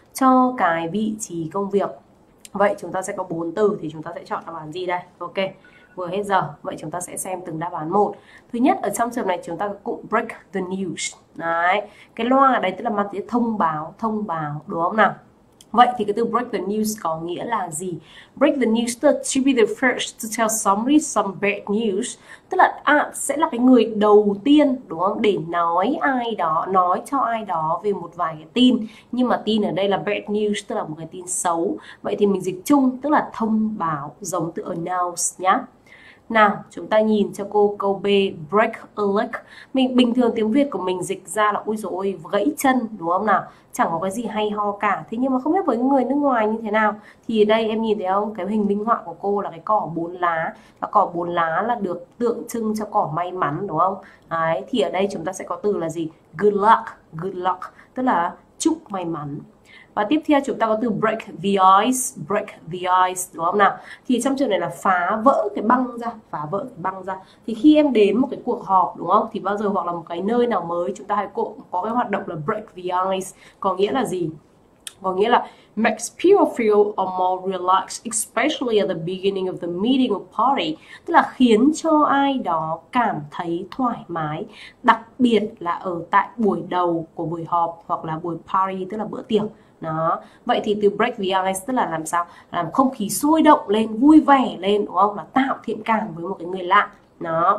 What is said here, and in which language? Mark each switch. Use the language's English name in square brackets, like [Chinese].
[Vietnamese] Cho cái vị trí công việc. Vậy chúng ta sẽ có 4 từ thì chúng ta sẽ chọn đáp án gì đây? Ok. Vừa hết giờ, vậy chúng ta sẽ xem từng đáp án một. Thứ nhất, ở trong trường này chúng ta có cụm [English] break the news. [Vietnamese] Đấy, cái loa ở đây tức là mặt thông báo, đúng không nào? Vậy thì cái từ [English] break the news [Vietnamese] có nghĩa là gì? [English] Break the news to be the first to tell somebody some bad news. [Vietnamese] Tức là sẽ là cái người đầu tiên, đúng không? Để nói ai đó, nói cho ai đó về một vài cái tin. Nhưng mà tin ở đây là [English] bad news, [Vietnamese] tức là một cái tin xấu. Vậy thì mình dịch chung, tức là thông báo, giống từ announce nhá. Nào, chúng ta nhìn cho cô câu B, [English] break a leg. [Vietnamese] Mình bình thường tiếng Việt của mình dịch ra là ôi dồi ôi, gãy chân, đúng không nào? Chẳng có cái gì hay ho cả. Thế nhưng mà không biết với người nước ngoài như thế nào. Thì đây em nhìn thấy không? Cái hình minh họa của cô là cái cỏ bốn lá. Và cỏ bốn lá là được tượng trưng cho cỏ may mắn, đúng không? Đấy, thì ở đây chúng ta sẽ có từ là gì? [English] Good luck, good luck. [Vietnamese] Tức là chúc may mắn. Và tiếp theo chúng ta có từ [English] break the ice, break the ice, [Vietnamese] đúng không nào? Thì trong trường này là phá vỡ cái băng ra, phá vỡ cái băng ra. Thì khi em đến một cái cuộc họp, đúng không? Thì bao giờ hoặc là một cái nơi nào mới chúng ta hay có cái hoạt động là [English] break the ice. [Vietnamese] Có nghĩa là gì? Có nghĩa là [English] makes people feel more relaxed, especially at the beginning of the meeting or party. [Vietnamese] Tức là khiến cho ai đó cảm thấy thoải mái, đặc biệt là ở tại buổi đầu của buổi họp hoặc là buổi party, tức là bữa tiệc. Đó. Vậy thì từ [English] break the ice [Vietnamese] tức là làm sao? Làm không khí sôi động lên, vui vẻ lên, đúng không? Là tạo thiện cảm với một cái người lạ. Đó.